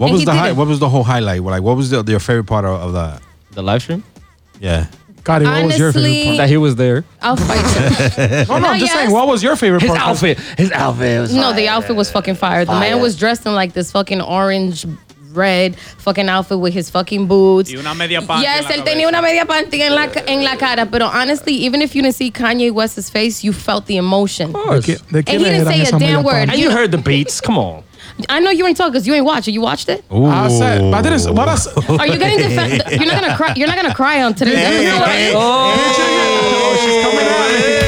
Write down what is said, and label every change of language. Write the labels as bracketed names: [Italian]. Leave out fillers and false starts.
[English] What was the what was the whole highlight? Like, what was the, your favorite part of that? The live stream? Yeah. Cardi, what was your favorite part? That he was there. I'll fight him. No, no, I'm just saying, what was your favorite part? His outfit. His outfit was No, the outfit was fucking fire. The man was dressed in like this fucking orange, red fucking outfit with his fucking boots. [Spanish] Y una media panty yes, él tenía una media panty en la cara. [English] But honestly, even if you didn't see Kanye West's face, you felt the emotion. Of course. And he didn't say a damn word. And you heard the beats. Come on. I know you ain't talking because you ain't watched it. You watched it? Ooh. I said, but I didn't. But I, are you getting defensive? You're not gonna cry. You're not gonna cry on today's episode. Hey, right? Hey, oh, she's coming at me.